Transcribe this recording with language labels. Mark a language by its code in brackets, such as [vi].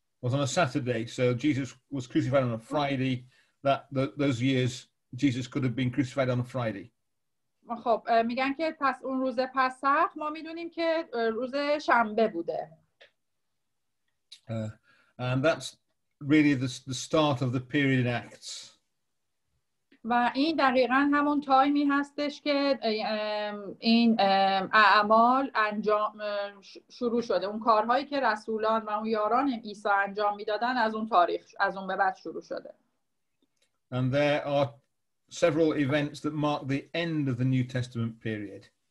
[en] Was on a Saturday, so Jesus was crucified on a Friday. Those years, Jesus could have been crucified on a Friday. [fa] خب میگن که پس اون روز پسح ما میدونیم که روز شنبه بوده. [en] And that's really the start of the period in Acts. [fa] و این دقیقاً همون تایمی هستش که این اعمال انجام شروع شده. اون کارهایی که رسولان و اون یاران عیسی انجام میدادن از اون تاریخ از اون به بعد شروع شده. [en] And there are several events that mark the end of the New Testament period.